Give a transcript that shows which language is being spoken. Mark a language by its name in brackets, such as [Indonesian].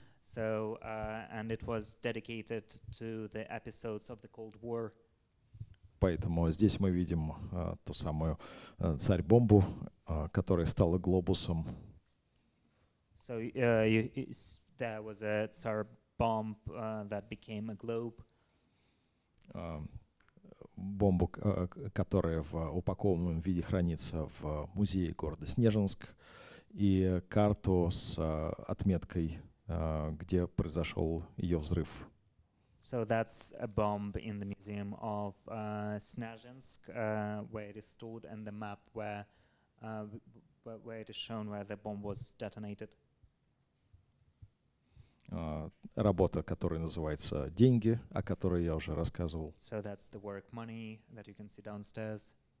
[English] So, and it was dedicated to the episodes of the Cold War. [Russian] Поэтому здесь мы видим ту самую царь-бомбу, которая стала глобусом. [English] So, there was a tsar bomb that became a globe. [Russian] Бомбу, которая в упакованном виде хранится в музее города Снежинск, и карту с отметкой, где произошел ее взрыв. [English] So that's a bomb in the museum of Snezhinsk, where it is stored, and the map where it is shown where the bomb was detonated. [Russian] Работа, которая называется «Деньги», о которой я уже рассказывал. [English] So that's the work money that you can see downstairs.